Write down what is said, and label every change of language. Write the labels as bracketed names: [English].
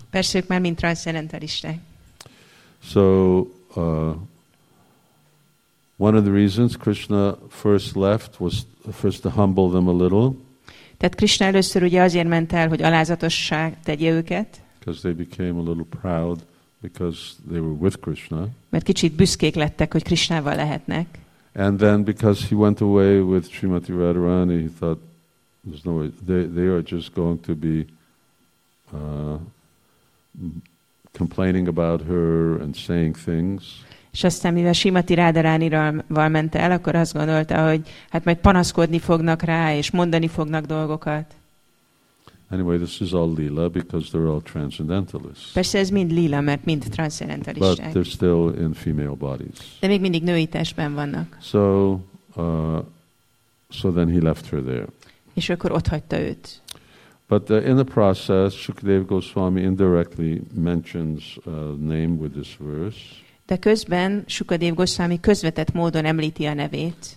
[Hungarian] Persze, ők már mind transzcendentalisták. [English] So, one of the reasons Krishna first left was first to humble them a little. [Hungarian] Tehát Krishna először ugye azért ment el, hogy alázatosság tegye őket. [English] Because they became a little proud. Because they were with Krishna. [Hungarian] Mert kicsit büszkék lettek, hogy Krishnával lehetnek. [English] And then because he went away with Srimati Radharani, he thought there's no way they are just going to be complaining about her and saying things. [Hungarian] És aztán, mivel Srimati Radharanival ment el, akkor azt gondolta, hogy hát majd panaszkodni fognak rá, és mondani fognak dolgokat. [English] Anyway, this is all lila because they're all transcendentalists. [Hungarian] Persze ez mind lila, mert mind transzcendentalisták. [English] But they're still in female bodies. [Hungarian] De még mindig női testben vannak. [English] So then he left her there. [Hungarian] És akkor ott hagyta őt. [English] But in the process, Sukadev Goswami indirectly mentions a name with this verse. [Hungarian] De közben Sukadev Goswami közvetett módon említi a nevét.